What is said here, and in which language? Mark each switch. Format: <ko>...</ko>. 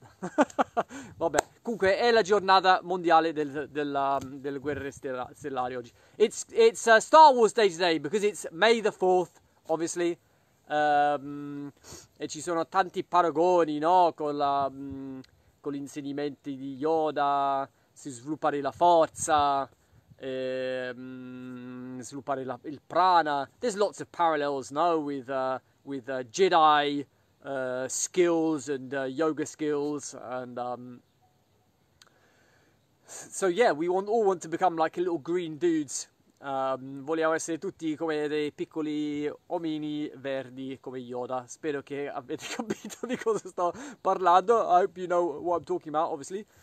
<it>Vabbè, comunque è la giornata mondiale delle guerre stellari oggi.</it> <en>It's Star Wars Day today because it's May the 4th, obviously.</en> <it>E ci sono tanti paragoni, no? Con gli insegnamenti di Yoda, si sviluppare la forza, sviluppare il prana.</it> <en>There's lots of parallels, no? With Jedi. Skills and yoga skills and so yeah, we want, all want to become like little green dudes.</en> <it>Vogliamo essere tutti come dei piccoli omini verdi come Yoda. Spero che avete capito di cosa sto parlando.</it> <en>I hope you know what I'm talking about, obviously.</en>